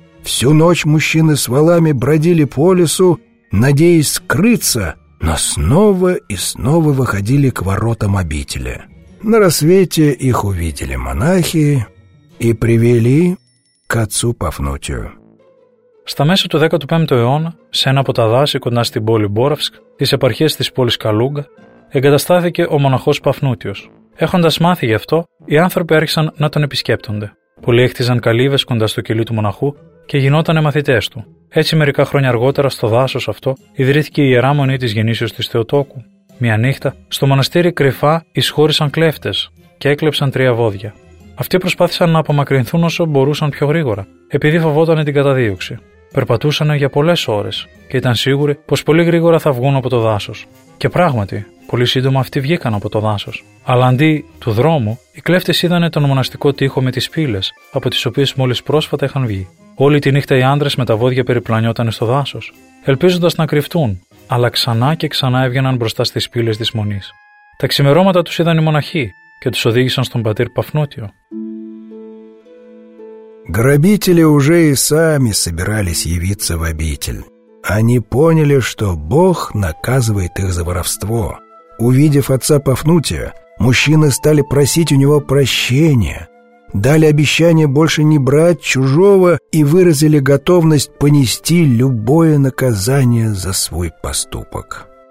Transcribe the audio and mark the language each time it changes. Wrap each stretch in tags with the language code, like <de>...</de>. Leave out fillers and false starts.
<ru>Всю ночь мужчины с волами бродили по лесу, надеясь скрыться, но снова и снова выходили к воротам обители. На рассвете их увидели монахи и привели к отцу Пафнутию.</ru> <el>Στα μέσα του 15ου αιώνα, σε ένα από τα δάση κοντά στην πόλη Μπόραυσκ, της επαρχίας της πόλης Καλούγκα, εγκαταστάθηκε ο μοναχός Πάφνούτιος. Έχοντας μάθει γι' αυτό, οι άνθρωποι άρχισαν να τον επισκέπτονται. Πολλοί έχτιζαν καλύβες κοντά στο κελί του μοναχού και γινότανε μαθητές του. Έτσι, μερικά χρόνια αργότερα, στο δάσος αυτό ιδρύθηκε η ιερά μονή της γεννήσεως της Θεοτόκου. Μια νύχτα, στο μοναστήρι κρυφά εισχώρησαν κλέφτες και έκλεψαν τρία βόδια. Αυτοί προσπάθησαν να απομακρυνθούν όσο μπορούσαν πιο γρήγορα, επειδή φοβότανε την καταδίωξη. Περπατούσαν για πολλές ώρες και ήταν σίγουροι πως πολύ γρήγορα θα βγουν από το δάσος. Και πράγματι, πολύ σύντομα αυτοί βγήκαν από το δάσος. Αλλά αντί του δρόμου, οι κλέφτες είδαν τον μοναστικό τοίχο με τις πύλες, από τις οποίες μόλις πρόσφατα είχαν βγει. Όλη τη νύχτα οι άντρες με τα βόδια περιπλανιόταν στο δάσος, ελπίζοντας να κρυφτούν, αλλά ξανά και ξανά έβγαιναν μπροστά στις πύλες της μονής. Τα ξημερώματα τους είδαν οι μοναχοί και τους οδήγησαν στον πατήρ Πάφνουτιο.</el> <ru>Грабители уже и сами собирались явиться в обитель. Они поняли, что Бог наказывает их за воровство. Увидев отца Пафнутия, мужчины стали просить у него прощения, дали обещание больше не брать чужого и выразили готовность понести любое наказание за свой поступок.</ru>